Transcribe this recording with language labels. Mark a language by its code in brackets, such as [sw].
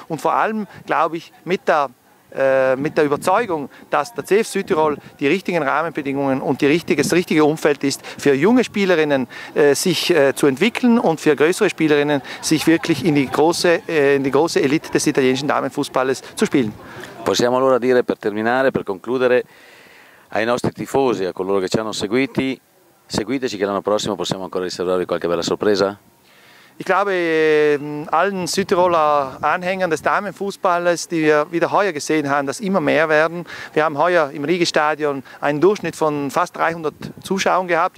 [de] Und vor allem, glaube ich, mit der Überzeugung, dass der CF Südtirol die richtigen Rahmenbedingungen und das richtige Umfeld ist, für junge Spielerinnen sich zu entwickeln und für größere Spielerinnen sich wirklich in die große Elite des italienischen Damenfußballs zu spielen. [it] Possiamo allora dire, per terminare, per concludere, ai nostri tifosi, a coloro che ci hanno seguiti, seguiteci, che l'anno prossimo possiamo ancora riservarvi qualche bella sorpresa? [de] Ich glaube, allen Südtiroler Anhängern des Damenfußballs, die wir wieder heuer gesehen haben, dass immer mehr werden. Wir haben heuer im Riegestadion einen Durchschnitt von fast 300 Zuschauern gehabt.